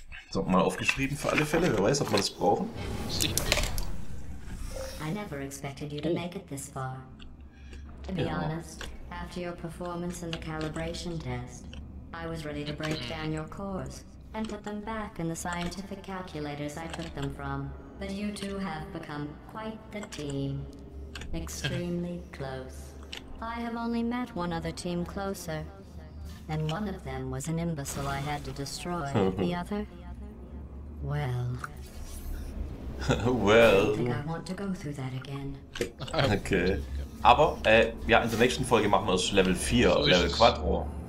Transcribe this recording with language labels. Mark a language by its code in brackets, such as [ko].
[de] So, mal aufgeschrieben für alle Fälle, wer weiß, ob wir das brauchen. [en] I never expected you to make it this far. To be honest, after your performance in the calibration test, I was ready to break down your cores and put them back in the scientific calculators I took them from. But you two have become quite the team. Extremely close. I have only met one other team closer. And one of them was an imbecile I had to destroy. The other? Well. Well. I don't think I want to go through that again. Okay. [de] Aber, ja, in der nächsten Folge machen wir es Level 4, so Level Quattro.